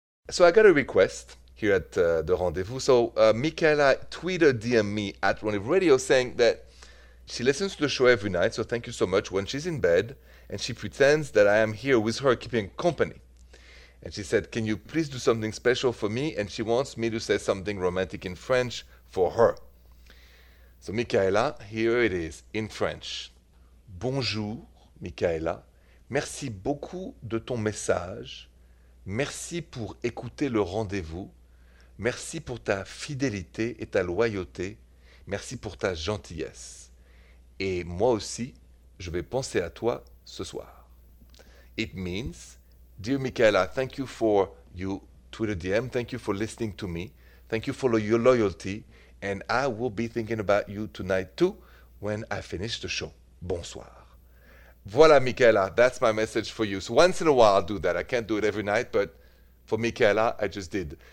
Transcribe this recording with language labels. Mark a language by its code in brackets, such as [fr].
[en] So I got a request here at the Rendezvous. So Michaela Twitter DM'd me at Rendezvous Radio saying that she listens to the show every night, so thank you so much, when she's in bed, and she pretends that I am here with her, keeping company. And she said, "Can you please do something special for me?" And she wants me to say something romantic in French for her. So Michaela, here it is in French. [fr] "Bonjour, Michaela. Merci beaucoup de ton message. Merci pour écouter le Rendezvous. Merci pour ta fidélité et ta loyauté. Merci pour ta gentillesse. Et moi aussi, je vais penser à toi ce soir. [en] It means, dear Michaela, thank you for your Twitter DM. Thank you for listening to me. Thank you for your loyalty. And I will be thinking about you tonight too when I finish the show. Bonsoir. Voilà, Michaela, that's my message for you. So once in a while, I'll do that. I can't do it every night, but for Michaela, I just did.